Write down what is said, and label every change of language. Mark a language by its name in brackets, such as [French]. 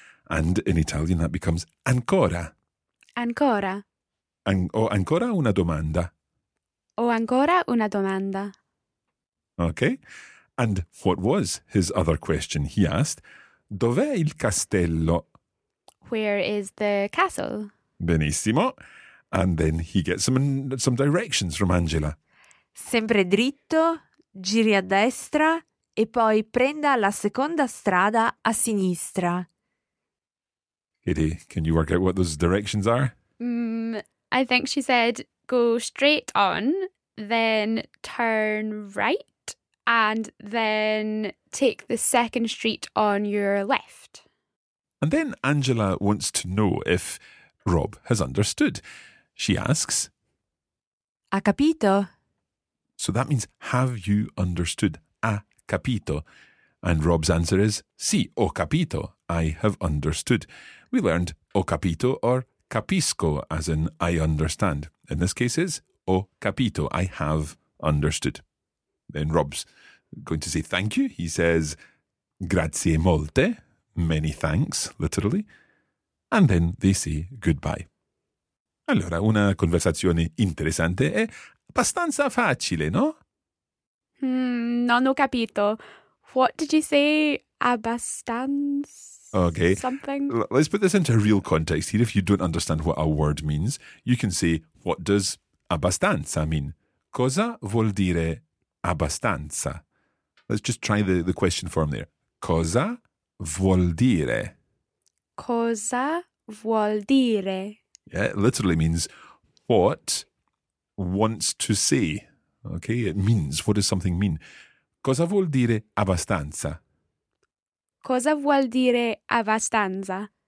[English] And in Italian, that becomes ancora. [Italian] Ancora. Ancora una domanda. O ancora una domanda. [English] Okay. And what was his other question? He asked, [Italian] dov'è il castello? [English] Where is the castle? [Italian] Benissimo. [English] And then he gets some directions from Angela. [Italian] Sempre dritto. Giri a destra e poi prenda la seconda strada a sinistra. [English] Katie, can you work out what those directions are? I think she said go straight on, then turn right, and then take the second street on your left. And then Angela wants to know if Rob has understood. She asks, [Italian] ha capito? [English] So that means, have you understood? [Italian] Ha capito? [English] And Rob's answer is, [Italian] sì, ho capito. [English] I have understood. We learned [Italian] ho capito [English] or capisco, as in I understand. In this case is, [Italian] ho capito. [English] I have understood. Then Rob's going to say thank you. He says, [Italian] grazie molte. [English] Many thanks, literally. And then they say goodbye. [Italian] Allora, una conversazione interessante è abbastanza facile, no? Non ho capito. [English] What did you say? [Italian] Abbastanza [English] okay. Something? Let's put this into a real context here. If you don't understand what a word means, you can say, what does abbastanza mean? [Italian] Cosa vuol dire abbastanza? [English] Let's just try the question form there. [Italian] Cosa vuol dire? Cosa vuol dire? [English] Yeah, it literally means what wants to say. Okay, it means, what does something mean? [Italian] Cosa vuol dire abbastanza? Cosa vuol dire abbastanza?